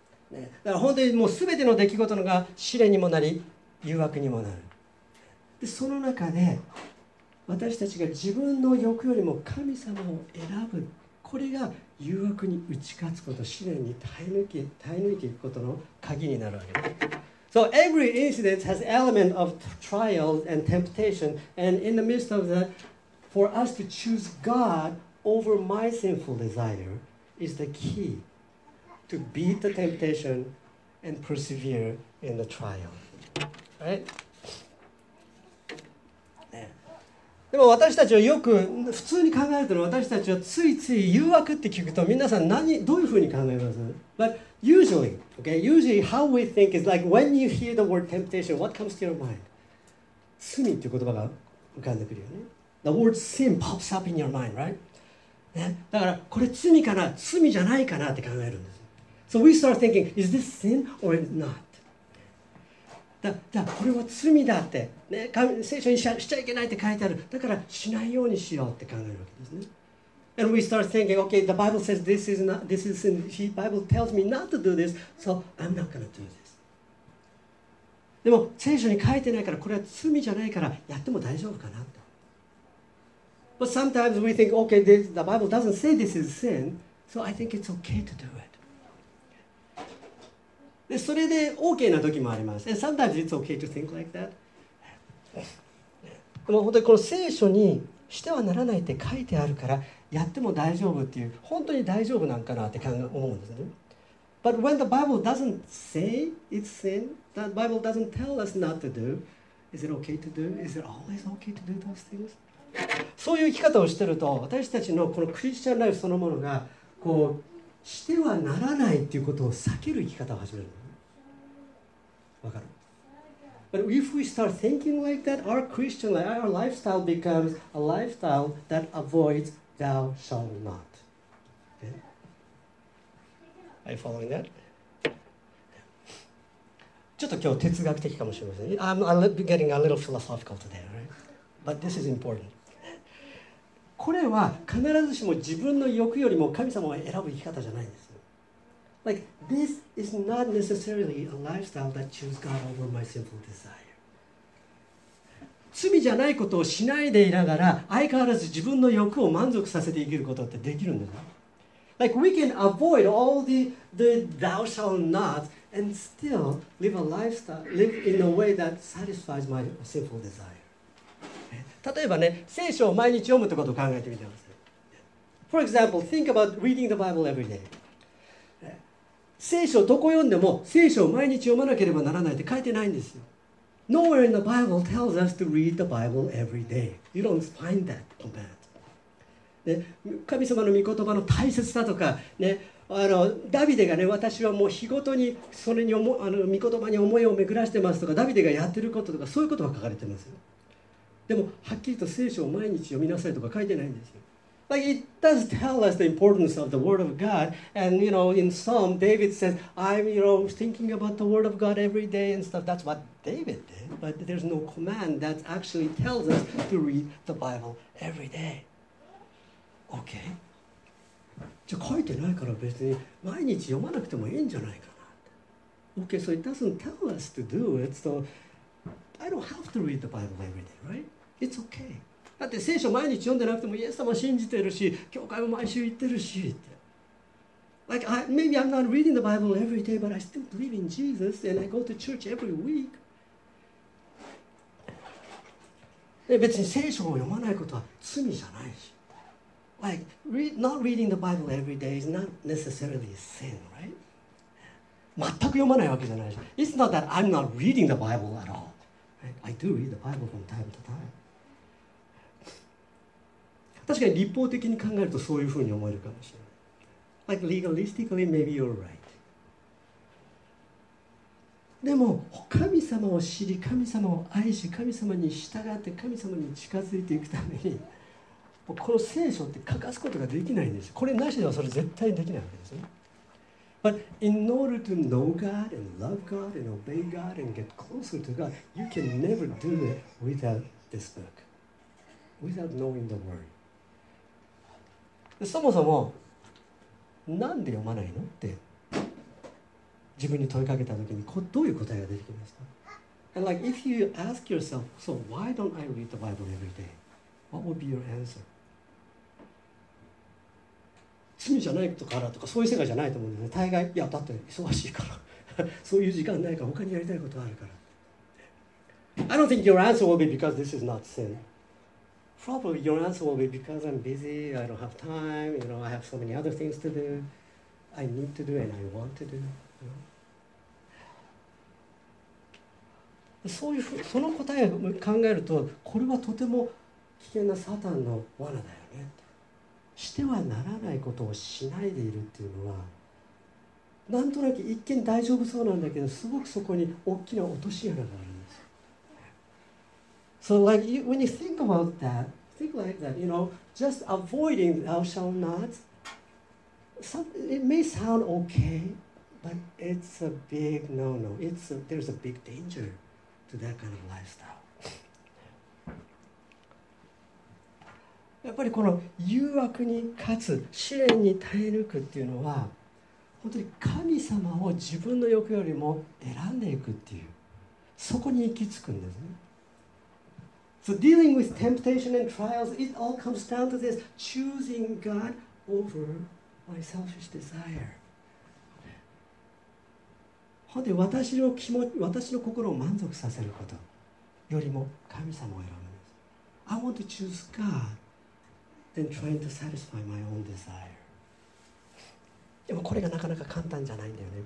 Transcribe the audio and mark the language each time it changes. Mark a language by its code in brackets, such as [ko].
[ja] ね、だから本当にもう全ての出来事のが試練にもなり誘惑にもなる。でその中で私たちが自分の欲よりも神様を選ぶ、これが誘惑に打ち勝つこと、試練に耐え抜いていくことの鍵になるわけです。 [en] So every incident has element of trial and temptation, and in the midst of that, for us to choose God over my sinful desire is the key to beat the temptation and persevere in the trial. Right? [ja] でも私たちはよく普通に考えると、私たちはついつい誘惑って聞くと、皆さん何どういうふうに考えます [en] ？But usually, okay, usually how we think is like when you hear the word temptation, what comes to your mind? [ja] 罪っていう言葉が浮かんでくるよね。 [en] The word sin pops up in your mind, right? [ja] ね、だからこれ罪かな罪じゃないかなって考えるんです。 [en] So we start thinking, is this sin or is not? [ja] だこれは罪だって、ね、神聖書にしちゃいけないって書いてある。だからしないようにしようって考えるわけですね。 [en] And we start thinking, okay, the Bible says this is not, this is sin. The Bible tells me not to do this, so I'm not going to do this. [ja] でも聖書に書いてないからこれは罪じゃないからやっても大丈夫かなと。 [en] But sometimes we think, okay, this, the Bible doesn't say this is sin, so I think it's okay to do it. [ja] で、それで OK な時もあります。 [en] And sometimes it's okay to think like that. [ja] でも本当にこの聖書にしてはならないって書いてあるから、やっても大丈夫っていう、本当に大丈夫なんかなって思うんですね。 [en] But when the Bible doesn't say it's sin, the Bible doesn't tell us not to do, is it okay to do? Is it always okay to do those things? [ja] そういう生き方をしていると私たちのこのクリスチャンライフそのものがこうしてはならないっていうことを避ける生き方を始める。わかる。 [en] But if we start thinking like that, our Christian life, our lifestyle becomes a lifestyle that avoids thou shalt not. Okay? Are you following that? [ja] ちょっと今日哲学的かもしれません。 [en] I'm getting a little philosophical today, right? But this is important. [ja] これは必ずしも自分の欲よりも神様を選ぶ生き方じゃないんです。 [en] Like, this is not necessarily a lifestyle that chooses God over my sinful desire. [ja] 罪じゃないことをしないでいながら、相変わらず自分の欲を満足させて生きることってできるんです。 [en] Like, we can avoid all the thou shalt not and still live a lifestyle, live in a way that satisfies my sinful desire. [ja] 例えばね、聖書を毎日読むってことを考えてみてください。 [en] For example, think about reading the Bible every day. [ja] 聖書をどこ読んでも聖書を毎日読まなければならないって書いてないんですよ。 [en] Nowhere in the Bible tells us to read the Bible every day. You don't find that command. [ja] 神様の御言葉の大切さとか、ね、ダビデがね、私はもう日ごとにそれに御言葉に思いを巡らしてますとか、ダビデがやってることとか、そういうことが書かれてますよ。でもはっきりと聖書を毎日読みなさいとか書いてないんですよ。 [en] Like, it does tell us the importance of the word of God. And you know, in Psalm, David says, I'm you know, thinking about the word of God every day and stuff. That's what David did. But there's no command that actually tells us to read the Bible every day. Okay. [ja] じゃあ書いてないから別に毎日読まなくてもいいんじゃないかな。 [en] Okay, so it doesn't tell us to do it. So I don't have to read the Bible every day, right? It's okay. [ja] だって聖書毎日読んでなくてもイエス様信じてるし、教会も毎週行ってるしって。 [en] Like, maybe I'm not reading the Bible every day, but I still believe in Jesus and I go to church every week. [ja] 別に聖書を読まないことは罪じゃないし。 [en] Like, not reading the Bible every day is not necessarily a sin, right? [ja] 全く読まないわけじゃないし。 [en] It's not that I'm not reading the Bible at all. I do read the Bible from time to time. [ja] 確かに立法的に考えるとそういうふうに思えるかもしれない。 [en] Like legalistically, maybe you're right. [ja] でも神様を知り、神様を愛し、神様に従って神様に近づいていくためにこの聖書って欠かすことができないんです。これなしではそれ絶対できないわけですね。 [en] But in order to know God and love God and obey God and get closer to God, you can never do it without this book. Without knowing the word. [ja] そもそもなんで読まないのって自分に問いかけたときにどういう答えが出てきますか。 [en] And like if you ask yourself, so why don't I read the Bible every day? What would be your answer? [ja] 罪じゃないからとかそういう世界じゃないと思うんですね。大概いやだって忙しいからそういう時間ないから他にやりたいことがあるから。 [en] I don't think your answer will be because this is not sin. Probably your answer will be because I'm busy, I don't have time, you know, I have so many other things to do, I need to do and I want to do. You know? [ja] その答えを考えると、これはとても危険なサタンの罠だよね。してはならないことをしないでいるっていうのは、なんとなく一見大丈夫そうなんだけど、すごくそこに大きな落とし穴がある。 [en] So like you, when you think about that, think like that, you know, just avoiding thou shalt not, it may sound okay, but it's a big no-no. It's a, there's a big danger to that kind of lifestyle. [ja] やっぱりこの誘惑に勝つ、試練に耐え抜くっていうのは本当に神様を自分の欲よりも選んでいくっていう、そこに行き着くんですね。 [en] So dealing with temptation and trials, it all comes down to this: choosing God over my selfish desire. [ja] 本当に私の気持ち、私の心を満足させることよりも神様を選ぶんです。 [en] I want to choose GodThen trying to satisfy my own desire. [ja] でもこれがなかなか簡単じゃないんだよね。